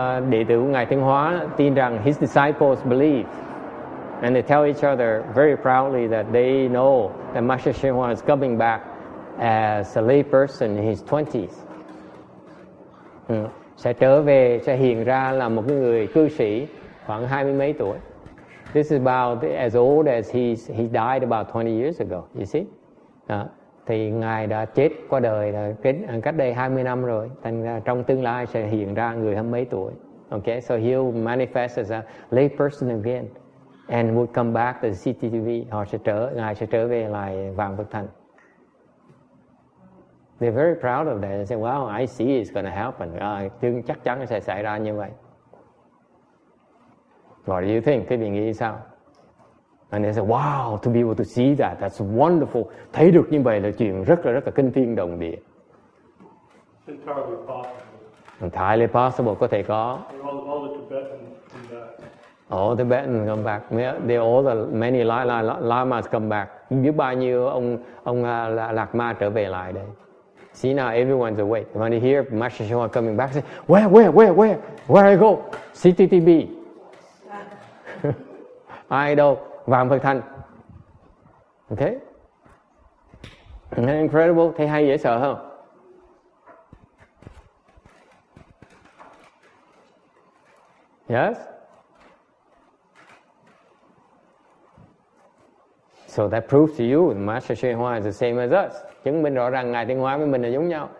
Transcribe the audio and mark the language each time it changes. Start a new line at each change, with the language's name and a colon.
Vietnamese: đệ tử của Ngài Thiên Hóa tin rằng
English: his disciples believe, and they tell each other very proudly that they know that Master Thiên Hóa is coming back as a lay person in his 20s.
Vietnamese: Sẽ trở về, sẽ hiện ra là một người cư sĩ khoảng 20 mấy tuổi.
English: This is about as old as he died about 20 years ago, you see?
Vietnamese: Thì Ngài đã chết qua đời cách đây 20 năm rồi. Thành ra trong tương lai sẽ hiện ra người 20 mấy tuổi.
English: Okay, so he'll manifest as a lay person again and would come back to CTTV.
Vietnamese: Ngài sẽ trở về lại Vạn Phật Thành.
English: They're very proud of that. They say, wow, I see it's going to happen.
Vietnamese: Chắc chắn sẽ xảy ra như vậy.
English: What do you think?
Vietnamese: Quý vị nghĩ sao?
English: And they said, wow, to be able to see that, that's wonderful.
Vietnamese: Thấy được như vậy là chuyện rất là kinh thiên động địa.
English: It's entirely possible. Entirely possible,
Vietnamese: có thể có.
English: All the Tibetans come back. All the Tibetans come back. They all the many lamas come back.
Vietnamese: Biết bao nhiêu ông Lạc Ma trở về lại đây.
English: See now, everyone's awake. When they hear Master Shihua coming back, they say, where I go? CTTB.
Vietnamese: Ai đâu? Vạn Phật Thành.
English: Okay? Incredible.
Vietnamese: Thấy hay dễ sợ không?
English: Yes? So that proves to you that Master Shihua Hoa is the same as us.
Vietnamese: Chứng minh rõ ràng Ngài Thiên Hóa với mình là giống nhau.